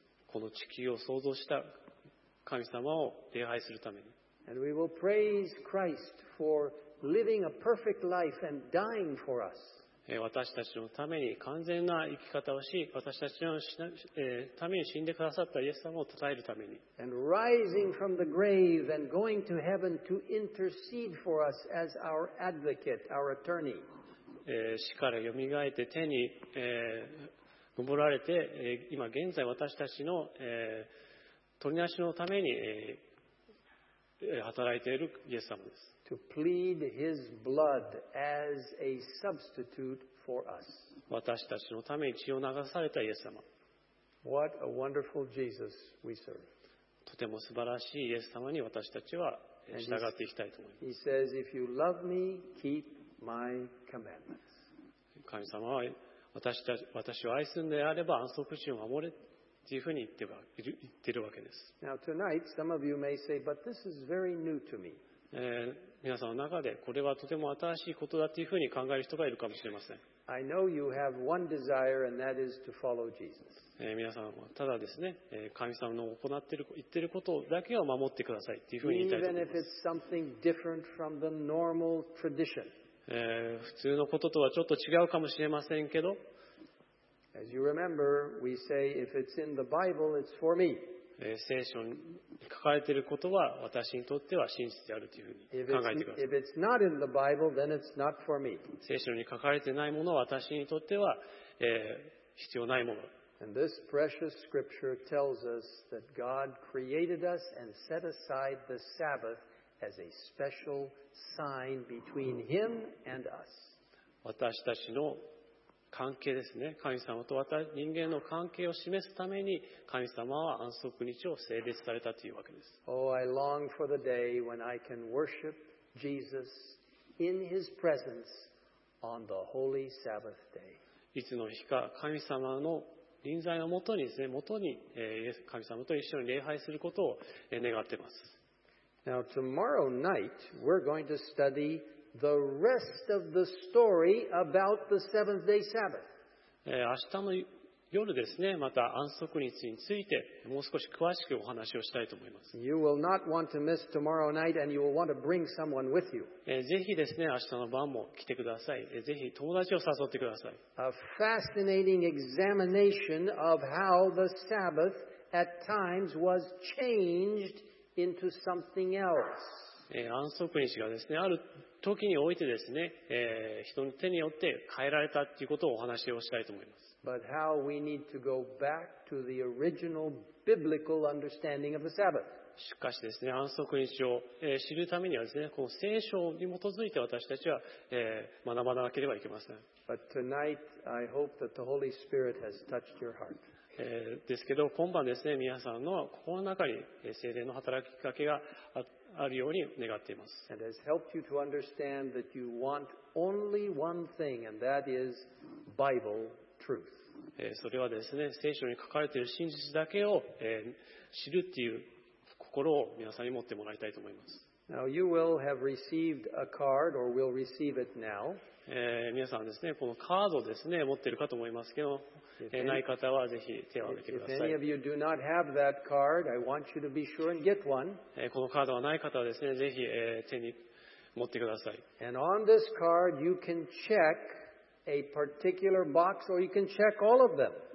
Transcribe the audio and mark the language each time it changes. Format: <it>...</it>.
<ja>この地球を創造した神様を礼拝するために。</ja> <en>And we will praise Christ for living a perfect life and dying for us.</en> <ja>私たちのために完全な生き方をし、私たちのために死んでくださったイエス様を称えるために。</ja> <en>And rising from the grave and going to heaven to intercede for us as our advocate, our attorney.</en> <ja>死からよみがえって天に昇られて、今現在私たちの取りなしのために働いているイエス様です。</ja> <en>To plead His blood as a substitute for us.</en> <ja>私たちのために血を流されたイエス様。</ja> <en>What a wonderful Jesus we serve.</en> <ja>とても素晴らしいイエス様に私たちは従っていきたいと思います。</ja> <en>He says, "If you love me, keep my commandments."</en> <ja>神様は私を愛すんであれば安息日を守れというふうに言っているわけです。</ja> <en>Now tonight, some of you may say, "But this is very new to me."</en> <ja>皆さんの中でこれはとても新しいことだというふうに考える人がいるかもしれません。</ja> <en>I know you have one desire, and that is to follow Jesus.</en> <ja>皆さんはただですね、神様の言っていることだけを守ってくださいというふうに言いたいと思います。</ja> <en>Even if it's something different from the normal tradition.</en> <ja>普通のこととはちょっと違うかもしれませんけど。</ja> <en>As you remember, we say if it's in the Bible, it's for me.</en> <ja>聖書に書かれていることは私にとっては真実であるというふうに考えてください。</ja> <en>Bible, then it's not for me.</en> <ja>聖書に書かれていないものは私にとっては、必要ないもの。</ja> <en>And this precious scripture tells us that God created us and set aside the Sabbath as a special sign between Him and us.</en> <ja>私たちの関係ですね。神様と人間の関係を示すために神様は安息日を聖別されたというわけです。</ja> <en>Oh, I long for the day when I can worship Jesus in His presence on the holy Sabbath day.</en> <ja>いつの日か神様の臨在のもとにですね、もとに神様と一緒に礼拝することを願っています。</ja> <en>Now, tomorrow night, we're going to study The rest of the story about the seventh day Sabbath.</en> <ja>明日の夜ですね、また安息日についてもう少し詳しくお話をしたいと思います。</ja> <en>You will not want to miss tomorrow night, and you will want to bring someone with you.</en> <ja>ぜひですね、明日の晩も来てください。ぜひ友達を誘ってください。</ja> <en>A fascinating examination of how the Sabbath at times was changed into something else.</en> <ja>安息日がですね、ある時においてですね、人の手によって変えられたということをお話をしたいと思います。</ja> <en>but how we need to go back to the original biblical understanding of the Sabbath.</en> <ja>しかしですね、安息日を知るためにはですね、この聖書に基づいて私たちは学ばなければいけません。</ja> <en>But tonight, I hope that the Holy Spirit has touched your heart.</en> <ja>ですけど、今晩ですね、皆さんの心の中に聖霊の働きかけがあるように願っています。</ja> <en>And has helped you to understand that you want only one thing, and that is Bible truth.</en> <ja>それはですね、聖書に書かれている真実だけを知るっていう心を皆さんに持ってもらいたいと思います。</ja> <en>Now you will have received a card or will receive it now.</en> <ja>皆さんですね、このカードをですね、持っているかと思いますけど、ない方はぜひ手を挙げてください。</ja> <en>If any of you do not have that card, I want you to be sure and get one.</en> <ja>このカードがない方はですね、ぜひ手に持ってください。</ja> <en>And on this card, you can check a particular box or you can check all of them.</en>